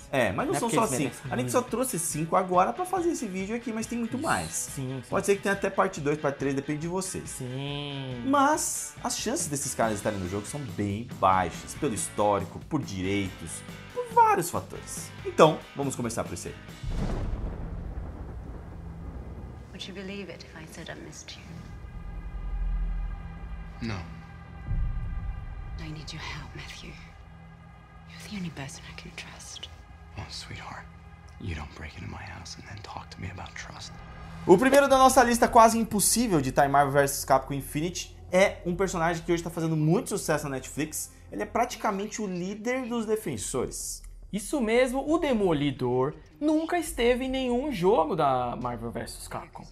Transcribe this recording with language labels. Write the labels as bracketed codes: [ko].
[pt] É, mas não, não são só cinco. A gente só trouxe cinco agora pra fazer esse vídeo aqui, mas tem muito mais. Sim, sim. Pode ser que tenha até parte 2, parte 3, depende de vocês. Sim. Mas as chances desses caras estarem no jogo são bem baixas, pelo histórico, por direitos, por vários fatores. Então, vamos começar por esse aí. [en] Would you believe it if I said I missed you? No. I need your help, Matthew. You're the only person I can trust. Oh, sweetheart. You don't break into my house and then talk to me about trust. [pt] O primeiro da nossa lista quase impossível de Time Marvel vs Capcom Infinity é um personagem que hoje está fazendo muito sucesso na Netflix. Ele é praticamente o líder dos defensores. Isso mesmo, o Demolidor nunca esteve em nenhum jogo da Marvel vs Capcom.